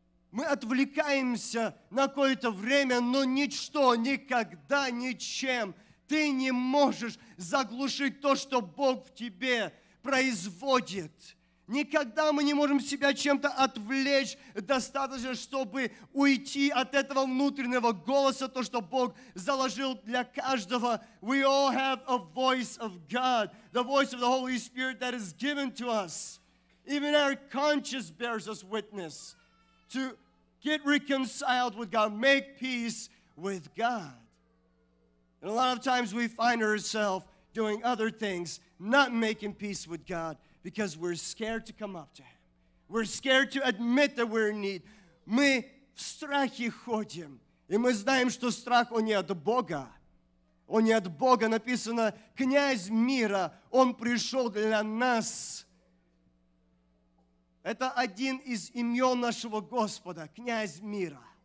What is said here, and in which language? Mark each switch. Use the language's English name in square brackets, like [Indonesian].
[Russian] Мы отвлекаемся на какое-то время, но ничто, никогда, ничем ты не можешь заглушить то, что Бог в тебе производит. Никогда мы не можем себя чем-то отвлечь достаточно, чтобы уйти от этого внутреннего голоса, то, что Бог заложил для каждого. [English] We all have a voice of God, the voice of the Holy Spirit that is given to us. Even our conscience bears us witness to get reconciled with God, make peace with God. And a lot of times we find ourselves doing other things, not making peace with God, because we're scared to come up to Him. We're scared to admit that we're in need. [Russian] Мы в страхе ходим, и мы знаем, что страх, он не от Бога. Он не от Бога. Написано, князь мира, он пришел для нас. Это один из имен нашего Господа, князь мира.